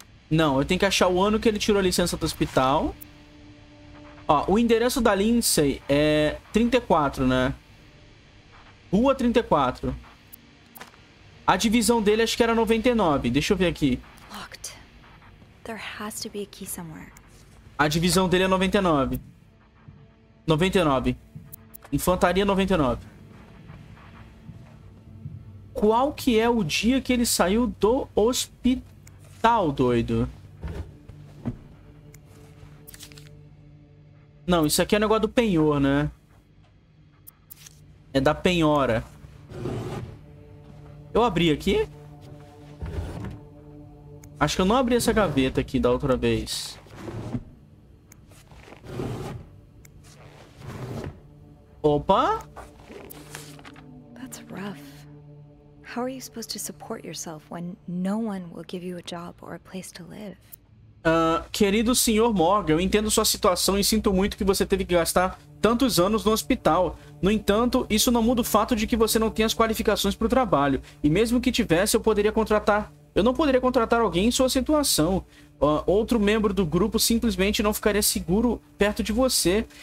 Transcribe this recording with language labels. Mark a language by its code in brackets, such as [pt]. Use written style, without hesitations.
[pt] não, eu tenho que achar o ano que ele tirou a licença do hospital. Ó, o endereço da Lindsay é 34, né? Rua 34. A divisão dele acho que era 99. Deixa eu ver aqui. [en] Locked. There has to be a key somewhere. [pt] A divisão dele é 99. 99. Infantaria 99. Qual que é o dia que ele saiu do hospital? Tal, doido. Não, isso aqui é negócio do penhor, né? É da penhora. Eu abri aqui? Acho que eu não abri essa gaveta aqui da outra vez. Opa! [en] That's rough. How are you supposed to support yourself when no one will give you a job or a place to live? [pt] Querido senhor Morgan, eu entendo sua situação e sinto muito que você teve que gastar tantos anos no hospital. No entanto, isso não muda o fato de que você não tem as qualificações para o trabalho. E mesmo que tivesse, eu não poderia contratar alguém em sua situação. Outro membro do grupo simplesmente não ficaria seguro perto de você.